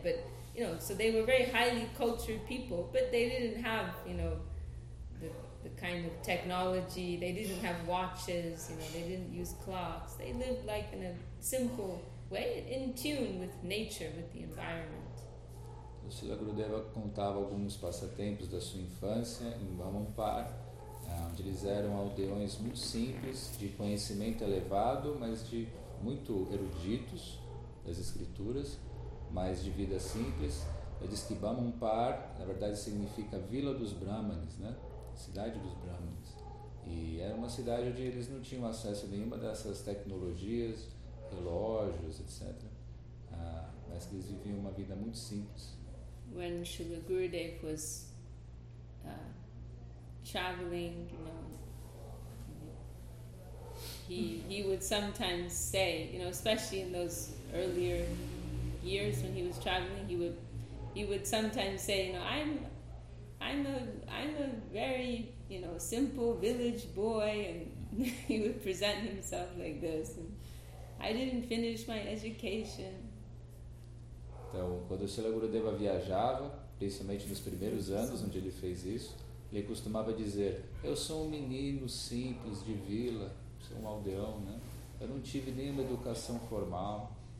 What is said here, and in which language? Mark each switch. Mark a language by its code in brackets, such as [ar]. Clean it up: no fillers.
[en] But you know, so they were very highly cultured people, but they didn't have, you know, the kind of technology. They didn't have watches, you know, they didn't use clocks. They lived like in a simple way, in tune with nature, with the environment. [pt] O Srila Gurudeva contava alguns passatempos da sua infância em Bamanpar, onde eles eram aldeões muito simples, de conhecimento elevado, mas de muito eruditos das escrituras, mas de vida simples. Ele diz que Bamanpar, na verdade, significa Vila dos Brahmanes, né? Cidade dos Brahmanes. E era uma cidade onde eles não tinham acesso a nenhuma dessas tecnologias, relógios, etc. Mas eles viviam uma vida muito simples. [en] When Srila Gurudev was traveling, you know, he would sometimes say, you know, especially in those earlier years when he was traveling, he would sometimes say, you know, I'm a very, you know, simple village boy, and he would present himself like this, and I didn't finish my education. [pt] Então, quando o Srila Gurudeva viajava, principalmente nos primeiros anos onde ele fez isso, ele costumava dizer: eu sou um menino simples de vila, sou um aldeão, né? Eu não tive nenhuma educação formal.